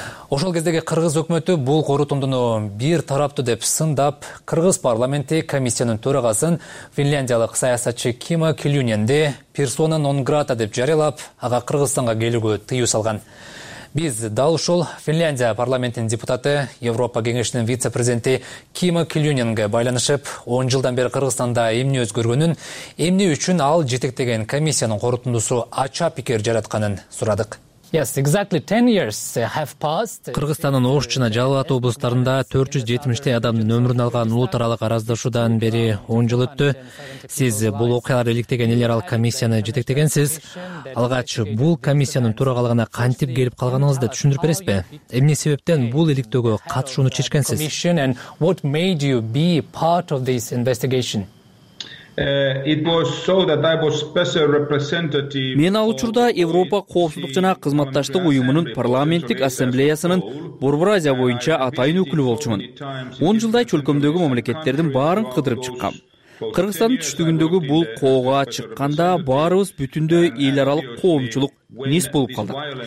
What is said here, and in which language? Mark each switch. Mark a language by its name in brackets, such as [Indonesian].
[Kyrgyz] Ошол кездеги кыргыз өкмөтү бул корутундуну бир тараптуу деп сындап, кыргыз парламенти комиссиянын төрагасын финляндиялык саясатчы Кима Килюненди персона нон грата деп жарыялап, ага Кыргызстанга келүүгө тыюу салган. Биз дал ушул Финляндия парламентинин депутаты, Европа кеңешинин вице-президенти Кима Килюненге байланышып, 10 жылдан бери Кыргызстанда эмне өзгөргөнүн, эмне үчүн ал жетектеген комиссиянын корутундусу ача пикир жаратканын сурадык. [English] Yes, exactly 10 years have passed. [Kyrgyz] Кыргызстандын Ош жана Жалал Абад облустарында 470 адамдын өмүрүн алган улут аралык араздашуудан бери 10 жыл өттү. Сиз бул окуялар иликтеген эл аралык комиссияны жетектегенсиз. Алгач бул комиссиянын төрагалыгына кантип келип калганыңызды түшүндүрүп бересизби? Эмне себептен бул иликтөөгө катышууну чечкенсиз? [English] What made you be part of this investigation? It was so that I was special representative. [Kyrgyz] Мен ал учурда Европа коопсуздук жана кызматташтык уюмунун парламенттик ассамблеясынын Борбор Азия боюнча атайын өкүлү болчумун. 10 жылдай чөлкөмдөгү мамлекеттердин баарын кыдырып чыккам. Кыргызстандын түштүгүндөгү бул коого чыкканда баарыбыз бүтүндөй эл аралык коомчулук низ болуп калдык.